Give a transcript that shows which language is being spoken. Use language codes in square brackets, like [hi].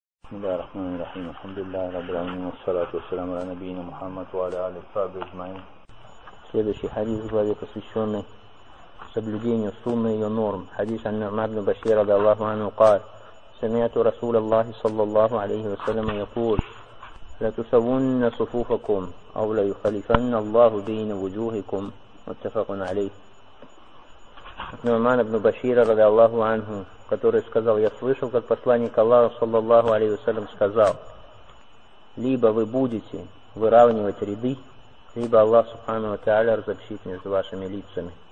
[ar] بسم الله الرحمن الرحيم، الحمد لله رب العالمين، والصلاة والسلام على نبينا محمد وعلى آله وصحبه أجمعين. [ru] Следующий хадис в главе, посвященный соблюдению сунны и ее норм. [ar] Хадис عن نعمان بن بشير رضي الله عنه قال: سمعت رسول الله صلى الله عليه وسلم يقول: لتسوون صفوفكم أو ليخلفن الله بين وجوهكم. متفق عليه. [ru] نعمان بن بشير رضي الله عنه, который сказал: я слышал, как посланник Аллаха, саллаллаху алейхи ва саллям, сказал: либо вы будете выравнивать ряды, либо Аллах, субхану ва тааля, разобщит между вашими лицами.